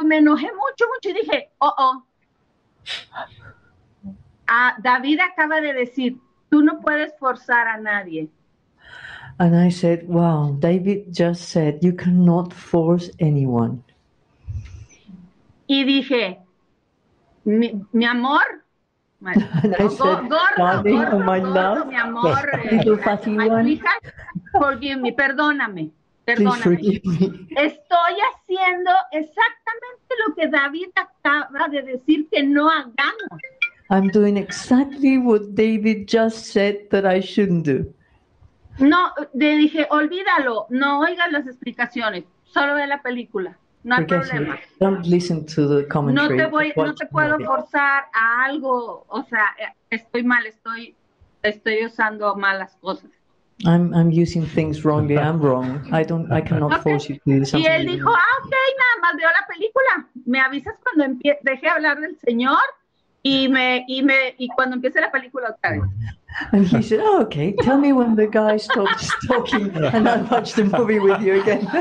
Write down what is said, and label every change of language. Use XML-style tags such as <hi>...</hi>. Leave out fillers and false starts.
<es>Me enojé mucho. Y dije, David acaba de decir, Tú no puedes forzar a nadie.</es> <en>And I said, wow, David just said, you cannot force anyone.</en> <es>Y dije, mi amor, perdóname. Estoy haciendo exactamente lo que David acaba de decir que no hagamos.</es> <en>I'm doing exactly what David just said that I shouldn't do.</en> <es>No, le dije, olvídalo, no oigas las explicaciones, solo ve la película, no hay problema.</es> <en>Don't listen to the commentary.</en> <es>No te puedo forzar a algo, o sea, estoy mal, estoy usando malas cosas.</es> <en>I'm using things wrongly. I'm wrong. I cannot okay. force you to do something.</en> <es>Y él dijo, okay, nada más veo la película. Me avisas cuando deje hablar del señor y cuando empiece la película otra vez.</es> <en>And he said, oh, okay, tell me when the guy stops talking and I'll watch the movie with you again.</en>